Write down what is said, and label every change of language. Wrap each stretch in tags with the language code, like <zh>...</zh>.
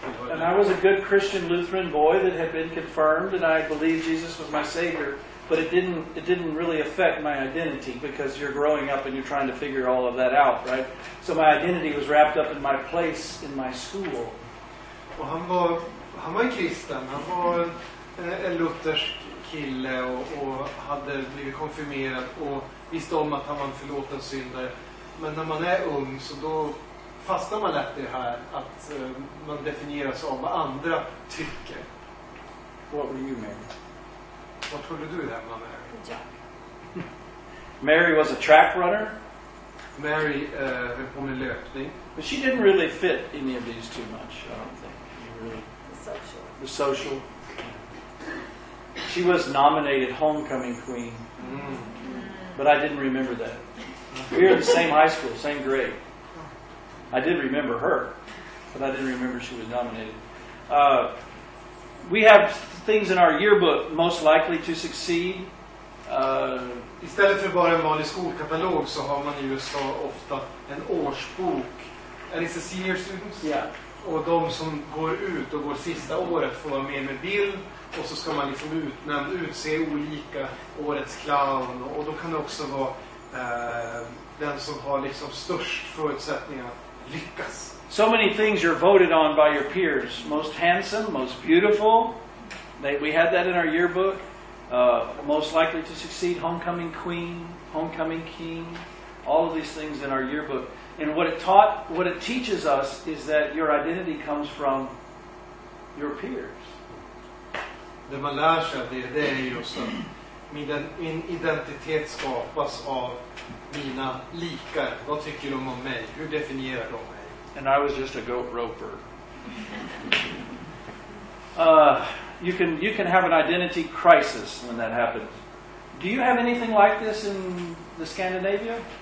<en>And I was a good Christian Lutheran boy that had been confirmed, and I believed Jesus was my Savior, but it didn't really affect my identity, because you're growing up and you're trying to figure all of that out, right? So my identity was wrapped up in my place in my school.</en> <sv>Och han var en kristen, han var en luthersk kille och hade blivit konfirmerad och visste om att han var en förlåten syndare. Men när man är ung så då fastnar man lätt i det här att man definieras av vad andra tycker.</sv> <en>What were you, Mary?</en> <sv>Vad trodde du det här, mamma?</sv> <en>Jack. Mary was a track runner.</en> <sv>Mary höll på med löpning.</sv> <en>But she didn't really fit any of these too much, I don't think. The social. The social. She was nominated homecoming queen. Mm. Mm. But I didn't remember that. We were in the same high school, same grade. I did remember her, but I didn't remember she was nominated. We have things in our yearbook, most likely to succeed.</en> <sv>Istället för bara en vanlig skolkatalog så har man i USA ofta en årsbok. Är det senior students? Ja.</sv> <en>Yeah.</en> <sv>Och de som går ut och går sista året får vara med bild. Och så ska man liksom utse olika årets clown. Och då kan det också vara den som har liksom störst förutsättningar.</sv> <en>So many things you're voted on by your peers. Most handsome, most beautiful. We had that in our yearbook. most likely to succeed, homecoming queen, homecoming king, all of these things in our yearbook. And what it taught, what it teaches us is that your identity comes from your peers.</en> <sv>Det man lär sig, det är just att min identitet skapas av mina likar. Vad tycker de om mig? Hur definierar de mig?</sv> <en>And I was just a goat roper. You can have an identity crisis when that happens. Do you have anything like this in the Scandinavia?</en>